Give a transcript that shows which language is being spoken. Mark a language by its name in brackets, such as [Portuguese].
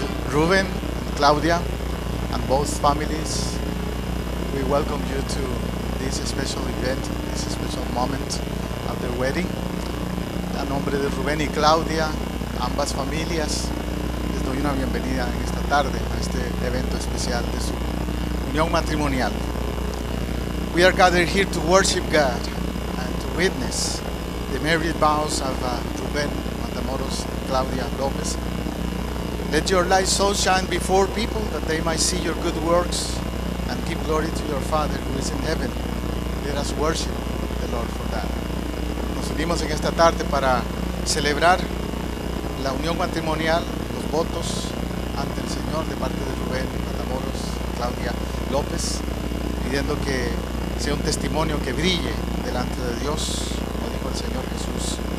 [English] Ruben, Claudia, and both families, we welcome you to this special event, this special moment of the wedding. [Spanish] A nombre de Rubén y Claudia, ambas familias, les doy una bienvenida en esta tarde a este evento especial de su unión matrimonial. [English] We are gathered here to worship God and to witness the marriage vows of Rubén Matamoros and Claudia López. Let your light so shine before people that they might see your good works and give glory to your Father who is in heaven. Let us worship the Lord for that. [Spanish] Nos unimos en esta tarde para celebrar la unión matrimonial, los votos ante el Señor de parte de Rubén Matamoros, Claudia López, pidiendo que sea un testimonio que brille delante de Dios, como dijo el Señor Jesús.